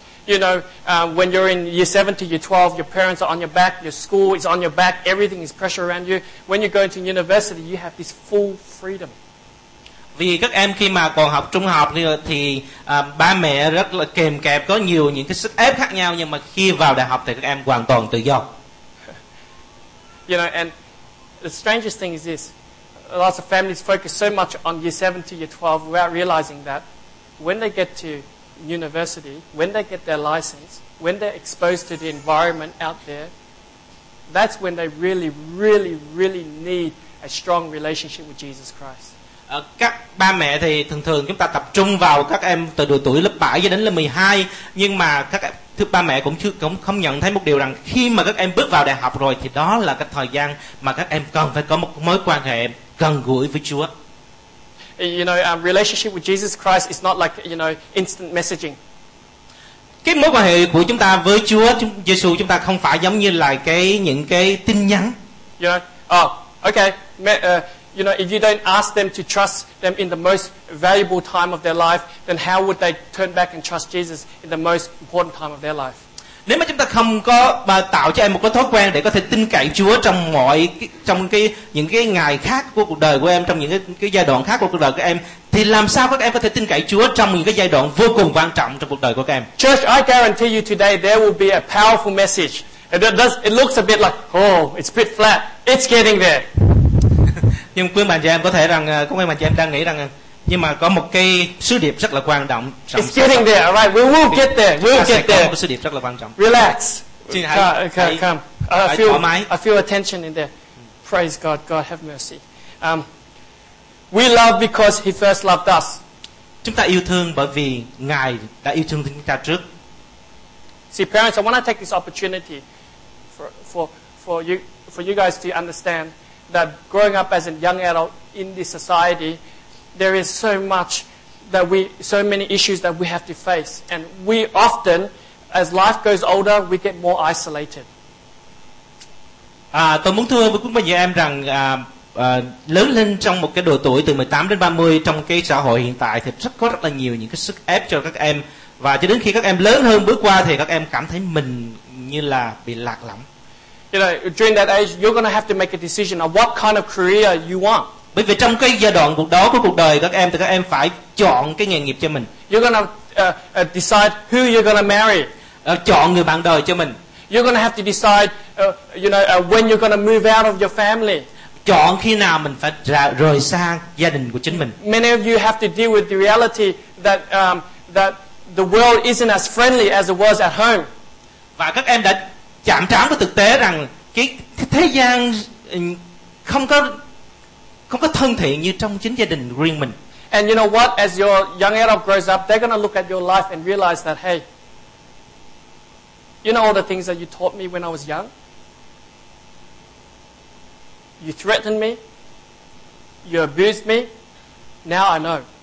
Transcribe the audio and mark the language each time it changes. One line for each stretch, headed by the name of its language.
English: You know, when you're in year 7 to year 12, your parents are on your back, your school is on your back, everything is pressure around you. When you go into university, you have this full freedom.
Vietnamese: Vì các em khi mà còn học trung học thì ba mẹ rất là kềm kẹp, có nhiều những cái sức ép khác nhau, nhưng mà khi vào đại học thì các em hoàn toàn tự do.
English: You know, and the strangest thing is this. Lots of families focus so much on year 7 to year 12 without realizing that when they get to university, when they get their license, when they're exposed to the environment out there, that's when they really, really, really need a strong relationship with Jesus Christ.
Vietnamese: Các ba mẹ thì thường thường chúng ta tập trung vào các em từ độ tuổi lớp 7 cho đến lớp 12, nhưng mà các em, thưa ba mẹ cũng chưa cũng không nhận thấy một điều rằng khi mà các em bước vào đại học rồi thì đó là cái thời gian mà các em cần phải có một mối quan hệ gần gũi với Chúa.
English: You know, a relationship with Jesus Christ is not like, you know, instant messaging.
Vietnamese: Cái mối quan hệ của chúng ta với Chúa Giêsu chúng ta không phải giống như là những cái tin nhắn.
English: You know, oh, okay, you know, if you don't ask them to trust them in the most valuable time of their life, then how would they turn back and trust Jesus in the most important time of their life?
Vietnamese: Nếu mà chúng ta không có mà tạo cho em một cái thói quen để có thể tin cậy Chúa trong mọi trong cái những cái ngày khác của cuộc đời của em, trong những cái giai đoạn khác của cuộc đời của em, thì làm sao các em có thể tin cậy Chúa trong những cái giai đoạn vô cùng quan trọng trong cuộc đời của các em?
English: Church, I guarantee you today there will be a powerful message. It looks a bit like, oh, it's a bit flat. It's getting there.
Vietnamese: Nhưng quý bạn chị em có thể rằng, có quý bạn chị em đang nghĩ rằng, nhưng mà có một cái sứ điệp rất là quan trọng.
English: It's getting there, alright. We will get there. We'll get there.
Vietnamese: Có một sứ điệp rất là quan trọng.
English: Relax. Okay, come. I feel a tension in there. Praise God. God have mercy. We love because He first loved us.
Vietnamese: Chúng ta yêu thương bởi vì Ngài đã yêu thương chúng ta trước.
English: See, parents, I want to take this opportunity for you guys to understand that growing up as a young adult in this society, there is so much that we, so many issues that we have to face, and we often, as life goes older, we get more isolated.
Vietnamese: Tôi muốn thưa với quý vị em rằng lớn lên trong một cái độ tuổi từ 18 đến 30 trong cái xã hội hiện tại thì rất là nhiều những cái sức ép cho các em, và cho đến khi các em lớn hơn bước qua thì các em cảm thấy mình như là bị lạc lõng.
English: You know, during that age, you're going to have to make a decision on what kind of career you want.
Vietnamese: Bởi vì trong cái giai đoạn cuộc đó của cuộc đời các em thì các em phải chọn cái nghề nghiệp cho mình.
English: You're going to decide who you're going to marry.
Vietnamese: Chọn người bạn đời cho mình.
English: You're going to have to decide, you know, when you're going to move out of your family.
Vietnamese: Chọn khi nào mình phải rời xa gia đình của chính mình.
English: Many of you have to deal with the reality that that the world isn't as friendly as it was at home.
Vietnamese: Và các em đã chạm trán với thực tế rằng cái thế gian không có thân thiện như trong chính gia đình riêng mình.
English: And you know what, as your young adult grows up, they're going to look at your life and realize that, hey, you know all the things that you taught me when I was young, you threatened me, you abused me, now I know.